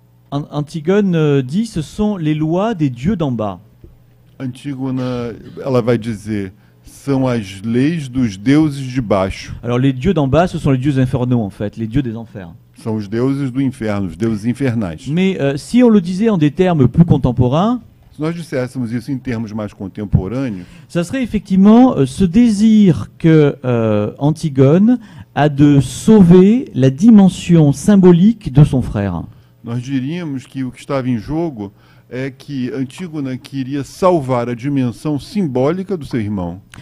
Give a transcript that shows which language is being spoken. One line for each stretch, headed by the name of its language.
French: Antigone dit, ce sont les lois des dieux d'en bas.
Portuguese: Antigone, ela vai dizer, são as leis dos deuses de baixo.
French: Alors, les dieux d'en bas, ce sont les dieux infernaux, en fait, les dieux des enfers.
Portuguese: São os deuses do inferno, os deuses infernais.
French: Mais si on le disait en des termes plus contemporains,
Portuguese: se nós disséssemos isso em termos mais contemporâneos,
French: ça serait effectivement ce désir que Antigone a de sauver la dimension symbolique de son frère.
Portuguese: Nós diríamos que o que estava em jogo é que Antígona queria salvar a dimensão simbólica do seu irmão.